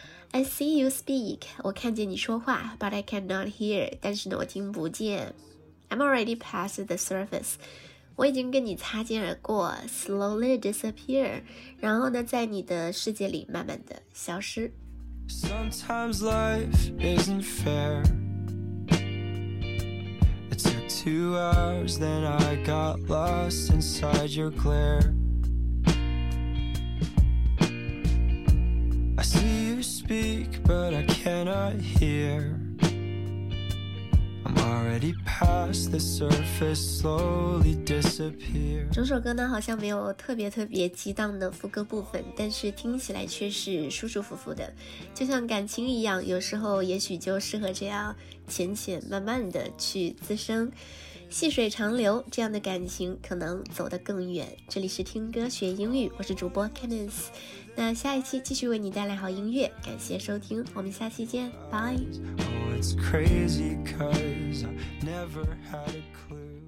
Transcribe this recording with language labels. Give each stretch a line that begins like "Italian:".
English: I see you speak.
Chinese: 我看见你说话。
English: But I cannot hear.
Chinese: 但是呢，我听不见。
English: I'm already past the surface.
Chinese: 我已经跟你擦肩而过。
English: Slowly disappear.
Chinese: 然后呢，在你的世界里慢慢的消失。
English: Sometimes life isn't fair. It took 2 hours, then I got lost inside your glare. I see you speak, but I cannot hear. I'm already past the surface, slowly disappear.
Chinese: 整首歌呢，好像没有特别激荡的副歌部分，但是听起来却是舒舒服服的，就像感情一样，有时候也许就适合这样浅浅慢慢的去滋生，细水长流，这样的感情可能走得更远。这里是听歌学英语，我是主播 Candice， 那下一期继续为你带来好音乐，感谢收听，我们下期见，拜。
English: It's crazy 'cause I never had a clue.